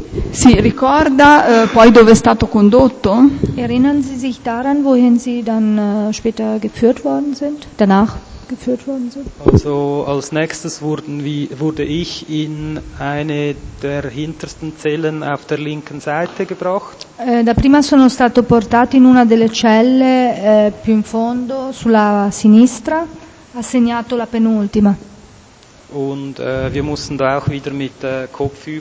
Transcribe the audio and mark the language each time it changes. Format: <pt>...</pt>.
<it>Si ricorda poi dove è stato condotto?</it> <de>Erinnern Sie sich daran, wohin Sie dann später geführt worden sind? Danach geführt worden sind? Also als nächstes wurde ich in eine der hintersten Zellen auf der linken Seite gebracht.</de> <it>Da prima sono stato portato in una delle celle più in fondo sulla sinistra, assegnato la penultima.</it> <de>Und wir mussten da auch wieder mit Kopfüber</de>